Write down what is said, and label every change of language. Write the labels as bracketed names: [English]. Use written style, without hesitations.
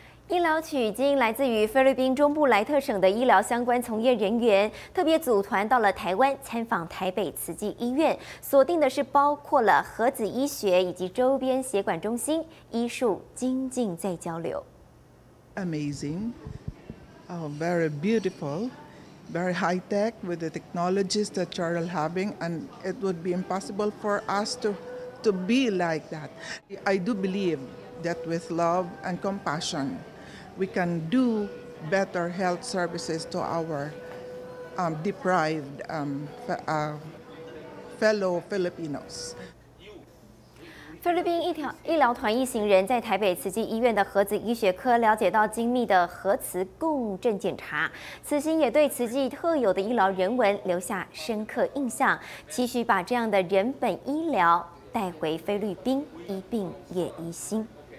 [Chinese] 医疗取经来自于菲律宾中部莱特省的医疗相关从业人员，特别组团到了台湾参访台北慈济医院，锁定的是包括了核子医学以及周边血管中心，医术精进在交流。 [English] Amazing, oh, very beautiful, very high tech with the technologies that you are having, and it would be impossible for us to be like that. I do believe that with love and compassion, we can do better health services to our deprived fellow Filipinos. [Chinese] 菲律宾医疗团一行人在台北慈济医院的核子医学科了解到精密的核磁共振检查，此行也对慈济特有的医疗人文留下深刻印象，期许把这样的人本医疗带回菲律宾，医病也医心。